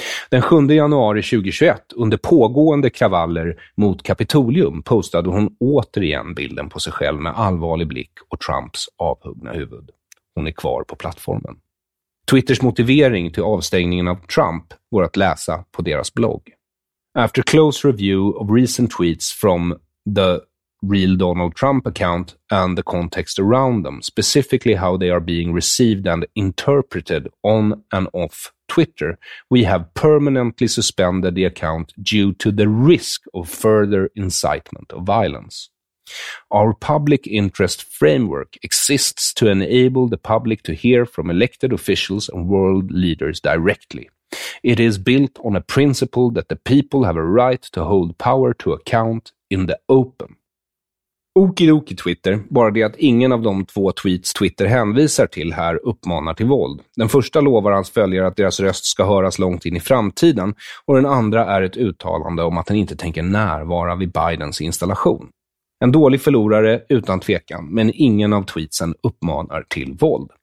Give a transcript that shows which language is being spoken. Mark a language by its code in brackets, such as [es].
[sv] Den 7 januari 2021, under pågående kravaller mot Kapitolium, postade hon återigen bilden på sig själv med allvarlig blick och Trumps avhuggna huvud. Hon är kvar på plattformen. Twitters motivering till avstängningen av Trump går att läsa på deras blogg. [en] "After close review of recent tweets from the real Donald Trump account and the context around them, specifically how they are being received and interpreted on and off Twitter, we have permanently suspended the account due to the risk of further incitement of violence. Our public interest framework exists to enable the public to hear from elected officials and world leaders directly. It is built on a principle that the people have a right to hold power to account in the open. [sv] Okidoki Twitter, bara det att ingen av de två tweets Twitter hänvisar till här uppmanar till våld. Den första lovar hans följare att deras röst ska höras långt in i framtiden och den andra är ett uttalande om att han inte tänker närvara vid Bidens installation. En dålig förlorare utan tvekan, men ingen av tweetsen uppmanar till våld.